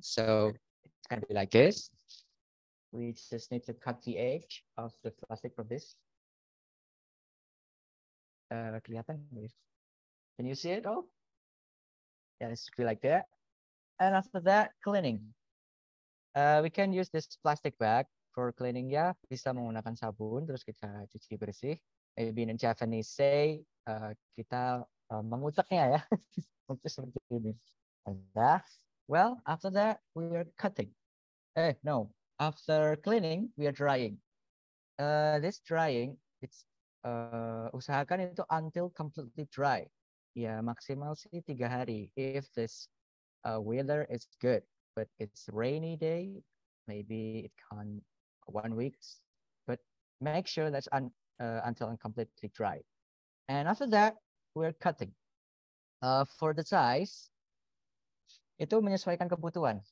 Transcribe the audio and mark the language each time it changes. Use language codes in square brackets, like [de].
[en] So it can be like this. We just need to cut the edge of the plastic from this. [id] Kelihatan? [en] Can you see it all? Yeah, it's like that. And after that, cleaning. We can use this plastic bag for cleaning, ya. [id] Bisa menggunakan sabun, terus kita cuci bersih. [en] Maybe in Japanese say, [id] kita mengutaknya, ya. Seperti ini. [en] And that, well, after that, we are cutting. After cleaning, we are drying. This drying, it's [id] usahakan itu [en] until completely dry. [id] Ya, maksimal sih 3 hari. [en] If this weather is good, but it's rainy day, maybe it can 1 week, but make sure that's until and completely dry. And after that, we're cutting. For the size, [id] itu menyesuaikan kebutuhan.